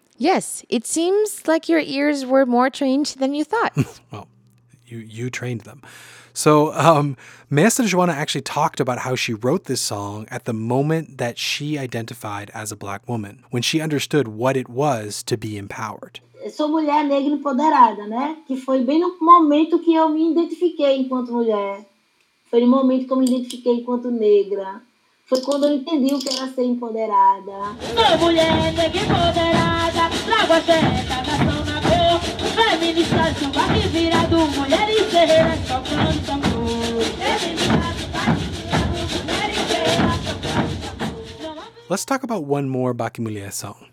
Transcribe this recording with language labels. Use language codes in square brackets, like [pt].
[en] Yes, it seems like your ears were more trained than you thought. Well, you trained them. So Mestre Joana actually talked about how she wrote this song at the moment that she identified as a Black woman, when she understood what it was to be empowered. [pt] Sou mulher negra empoderada, né? Que foi bem no momento que eu me identifiquei enquanto mulher. Foi no momento que eu me identifiquei enquanto negra. Foi quando eu entendi o que era ser empoderada. Sou mulher negra empoderada, trago a fé, nação na cor. Feminista, chupa que vira do mulher e ferreira, tocando tambor. [en] Let's talk about one more Baque Mulher song.